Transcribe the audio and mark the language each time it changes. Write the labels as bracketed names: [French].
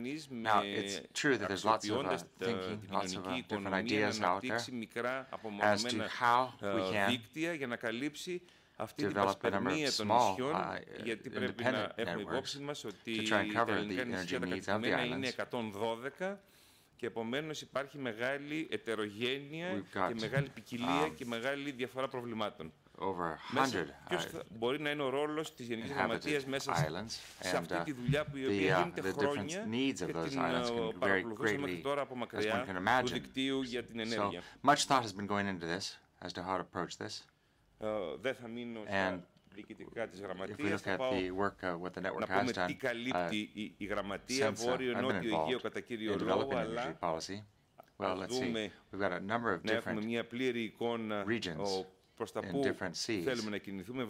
[English] Now, it's true that there's lots of thinking, lots of different ideas out there as to how we can [Greek] αυτή την παρασπερμία των νησιών, γιατί πρέπει να έχουμε υπόψη μας ότι τα ελληνικά νησιά τα κατεστημένα είναι 112, και επομένως υπάρχει μεγάλη ετερογένεια και μεγάλη ποικιλία και μεγάλη διαφορά προβλημάτων. Ποιος μπορεί να είναι ο ρόλος της Γενικής Γραμματείας μέσα σε αυτή τη δουλειά που η οποία γίνεται χρόνια και την παρακολουθούσε μέχρι τώρα από μακριά του δικτύου για την ενέργεια. [English] So much thought has been going into this as to how to approach this. [Greek] Δεν θα μείνω στα διοικητικά της γραμματείας, θα πάω να πούμε τι καλύπτει η γραμματεία Βόρειο-Νότιο Αιγαίο κατά κύριο λόγο, αλλά δούμε να έχουμε μια πλήρη εικόνα προς τα πού θέλουμε να κινηθούμε.